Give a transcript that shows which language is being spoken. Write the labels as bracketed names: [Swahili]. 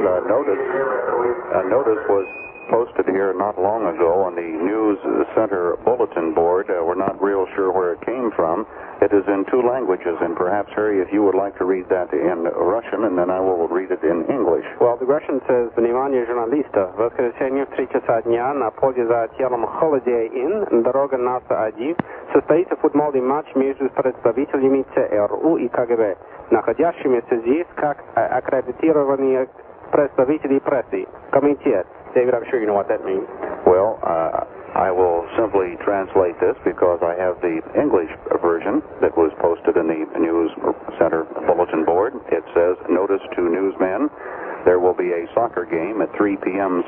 [English] A notice was posted here not long ago on the News Center bulletin board. We're not real sure where it came from. It is in two languages, and perhaps, Harry, if you would like to read that in Russian, and then I will read it in English. Well, the Russian says, [Russian] "Внимание, журналиста! В воскресенье в 3 часа дня на поле за телом Holiday Inn, дорога НАСА-1, состоится футбольный матч между представителями ЦРУ и КГБ, находящимися здесь как аккредитированные представители прессы. Комитет." [English] David, I'm sure you know what that means. Well, I will simply translate this because I have the English version that was posted in the News Center bulletin board. It says, "Notice to newsmen, there will be a soccer game at 3 p.m.